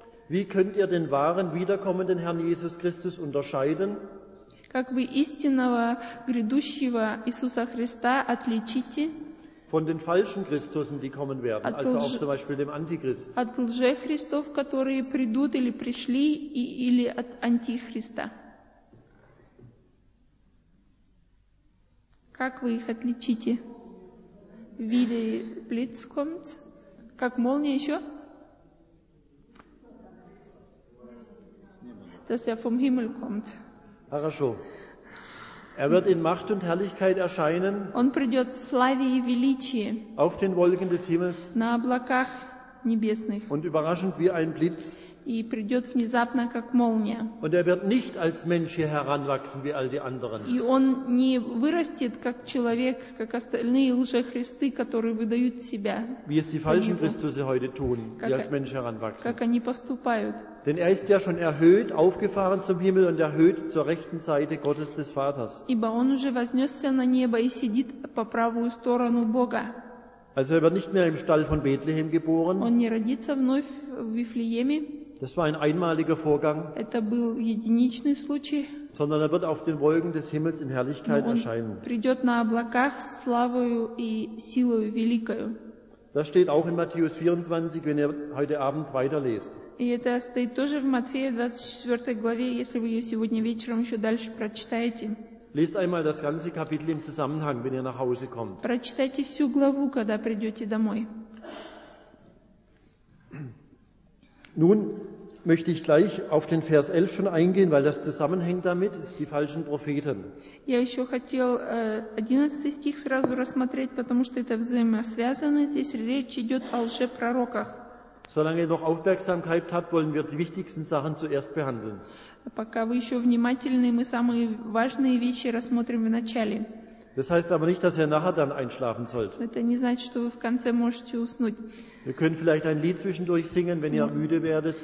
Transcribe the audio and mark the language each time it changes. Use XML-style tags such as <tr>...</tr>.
<de>Wie könnt ihr den wahren wiederkommenden Herrn Jesus Christus unterscheiden?</de> <ru>Как вы истинного грядущего Иисуса Христа отличите?</ru> <de>Von den falschen Christusen, die kommen werden, also auch zum Beispiel dem Antichrist.</de> <ru>От лжехристов, которые придут или пришли, или от Антихриста. Как вы их отличите?</ru> <de>Wie Blitz kommt?</de> <ru>Как молния еще?</ru> <de>Dass er vom Himmel kommt.</de> <ru>Хорошо.</ru> <de>Er wird in Macht und Herrlichkeit erscheinen.</de> <ru>Он придет в славе и величии.</ru> <de>Auf den Wolken des Himmels.</de> <ru>На облаках небесных.</ru> <de>Und überraschend wie ein Blitz.</de> <ru>И придет внезапно, как молния.</ru> <de>Und er wird nicht als Mensch hier heranwachsen, wie all die anderen.</de> <ru>И он не вырастет, как человек, как остальные лжехристы, которые выдают себя.</ru> <de>Wie es die falschen Christusse heute tun, die als Mensch heranwachsen.</de> <ru>Как они поступают.</ru> <de>Denn er ist ja schon erhöht, aufgefahren zum Himmel und erhöht zur rechten Seite Gottes des Vaters.</de> <ru>Ибо он уже вознесся на небо и сидит по правую сторону Бога.</ru> <de>Also er wird nicht mehr im Stall von Bethlehem geboren.</de> <ru>Он не родится вновь в Вифлееме.</ru> <de>Das war ein einmaliger Vorgang.</de> <ru>Это был единичный случай.</ru> <de>Sondern er wird auf den Wolken des Himmels in Herrlichkeit erscheinen.</de> <ru>Он придет на облаках славою и силою великою.</ru> <de>Das steht auch in Matthäus 24, wenn ihr heute Abend weiterlest.</de> <ru>И это стоит тоже в Матфея 24 главе, если вы ее сегодня вечером еще дальше прочитаете.</ru> <de>Lest einmal das ganze Kapitel im Zusammenhang, wenn ihr nach Hause kommt.</de> <ru>Прочитайте всю главу, когда придете домой.</ru> <de>Nun möchte ich gleich auf den Vers 11 schon eingehen, weil das zusammenhängt damit, die falschen Propheten.</de> <ru>Я еще хотел 11 стих сразу рассмотреть, потому что это взаимосвязано. Здесь речь идет о лжепророках.</ru> <de>Solange ihr noch Aufmerksamkeit habt, wollen wir die wichtigsten Sachen zuerst behandeln.</de> <ru>Пока вы еще внимательны, мы самые важные вещи рассмотрим в начале.</ru> <de>Das heißt aber nicht, dass ihr nachher dann einschlafen sollt.</de> <ru>Это не значит, что вы в конце можете уснуть.</ru> <de>Wir können vielleicht ein Lied zwischendurch singen, wenn ihr müde werdet.</de>